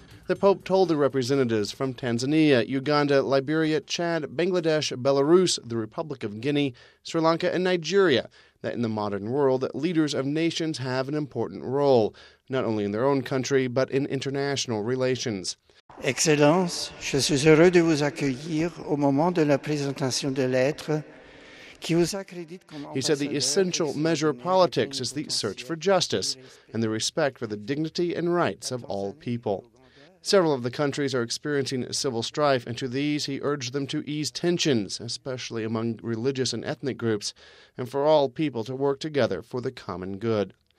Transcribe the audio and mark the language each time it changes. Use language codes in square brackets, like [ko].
[en] The Pope told the representatives from Tanzania, Uganda, Liberia, Chad, Bangladesh, Belarus, the Republic of Guinea, Sri Lanka, and Nigeria that in the modern world, leaders of nations have an important role, not only in their own country, but in international relations. [fr] Excellence, je suis heureux de vous accueillir au moment de la présentation de lettres. [en] He said the essential measure of politics is the search for justice and the respect for the dignity and rights of all people. Several of the countries are experiencing civil strife, and to these he urged them to ease tensions, especially among religious and ethnic groups, and for all people to work together for the common good.